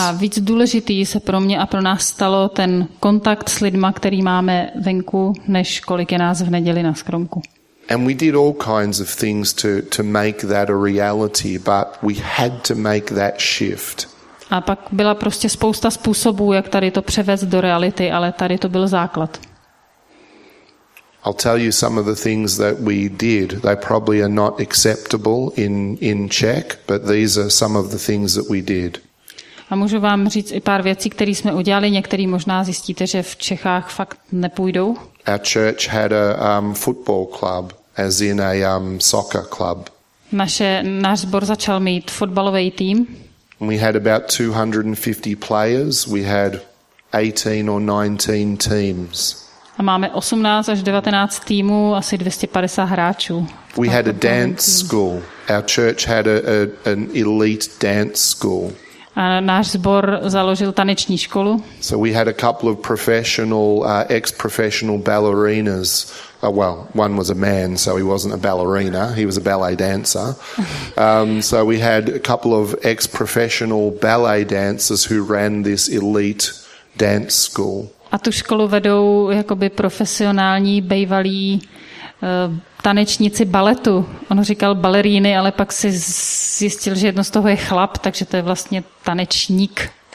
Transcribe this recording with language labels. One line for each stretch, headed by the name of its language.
Czech: A víc důležitý se pro mě a pro nás stalo ten kontakt s lidma, který máme venku, než kolik je nás v neděli na skromku.
English: And we did all kinds of things to make that a reality, but we had to make that shift.
Czech: A pak byla prostě spousta způsobů, jak tady to převést do reality, ale tady to byl základ.
English: I'll tell you some of the things that we did. They probably are not acceptable in Czech, but these are some of the things that we did.
Czech: A můžu vám říct i pár věcí, které jsme udělali, některé možná zjistíte, že v Čechách fakt nepůjdou.
English: Our church had a football club, as in a soccer club.
Czech: Náš sbor začal mít fotbalový tým.
English: We had about 250 players. We had 18 or 19 teams.
Czech: A máme 18 až 19 týmů, asi 250 hráčů.
English: We had a dance school. Our church had an elite dance school.
Czech: A náš sbor založil taneční školu.
English: So we had a couple of professional ex-professional ballerinas. Well, one was a man, so he wasn't a ballerina, he was a ballet dancer. So we had a couple of ex-professional ballet dancers who ran this elite dance school.
Czech: A tu školu vedou jakoby profesionální bývalí tanečníci baletu. On říkal baleríny, ale pak si zjistil, že jedno z toho je chlap, takže to je vlastně tanečník.